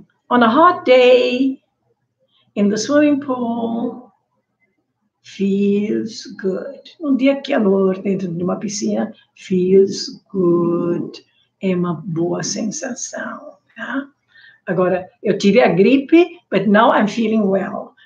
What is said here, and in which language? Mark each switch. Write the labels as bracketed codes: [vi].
[en] On a hot day, in the swimming pool, feels good. [pt] Um dia calor dentro de uma piscina, [en] feels good. [pt] É uma boa sensação, tá? Agora, eu tive a gripe, [en] but now I'm feeling well.